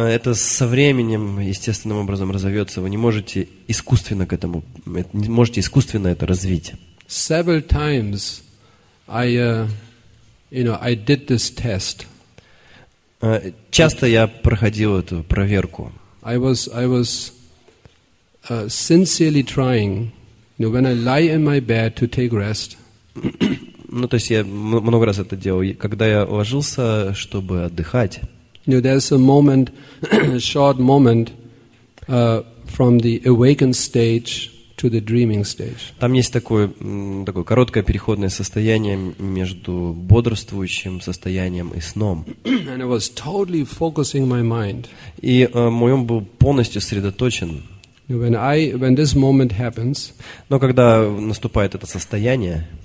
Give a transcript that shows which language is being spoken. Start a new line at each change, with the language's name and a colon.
Russian: Это со временем естественным образом разовьется. Вы не можете искусственно к этому не можете искусственно это развить.
English: Several times I did this test.
Russian: Часто я проходил эту проверку.
English: I was sincerely trying, you know, when I lie in my bed to take rest.
Russian: Ну, то есть я много раз это делал, когда я ложился, чтобы отдыхать.
English: You know, there's a moment, short moment, from the awakened stage to the dreaming stage.
Russian: Там есть такое короткое переходное состояние между бодрствующим состоянием и сном.
English: And I was totally focusing my mind.
Russian: И мой ум был полностью сосредоточен.
English: When this moment happens,
Russian: но когда наступает это состояние,